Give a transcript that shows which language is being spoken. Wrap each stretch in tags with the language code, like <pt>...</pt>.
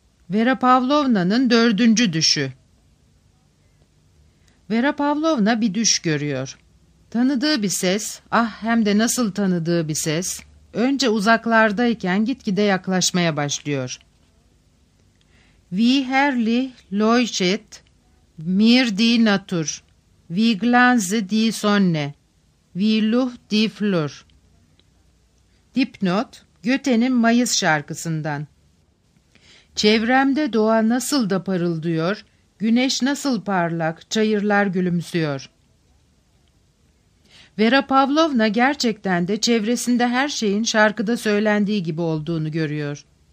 <tr>Vera Pavlovna'nın dördüncü düşü. Vera Pavlovna bir düş görüyor. Tanıdığı bir ses, ah hem de nasıl tanıdığı bir ses, önce uzaklardayken gitgide yaklaşmaya başlıyor.</tr> <de>Wie herrlich leuchtet mir die Natur, wie glänzt die Sonne, wie lucht die Flur.</de> <tr>Dipnot, Goethe'nin Mayıs şarkısından. Çevremde doğa nasıl da parıldıyor, güneş nasıl parlak, çayırlar gülümsüyor. Vera Pavlovna gerçekten de çevresinde her şeyin şarkıda söylendiği gibi olduğunu görüyor.</tr>